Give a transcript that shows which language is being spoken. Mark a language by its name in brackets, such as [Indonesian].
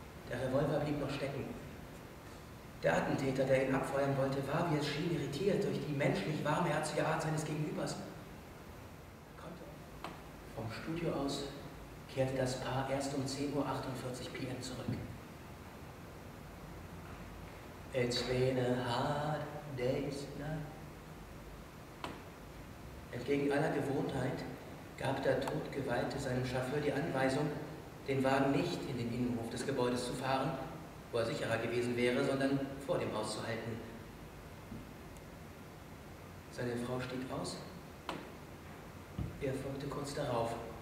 [German] Der Revolver blieb noch stecken. Der Attentäter, der ihn abfeuern wollte, war, wie es schien, irritiert durch die menschlich warmherzige Art seines Gegenübers. Vom Studio aus kehrte das Paar erst um 10.48 Uhr PM zurück. [English] It's been a hard day's night. [German] Entgegen aller Gewohnheit gab der Todgeweihte seinem Chauffeur die Anweisung, den Wagen nicht in den Innenhof des Gebäudes zu fahren, wo er sicherer gewesen wäre, sondern vor dem Haus zu halten. Seine Frau stieg aus. Er folgte kurz darauf.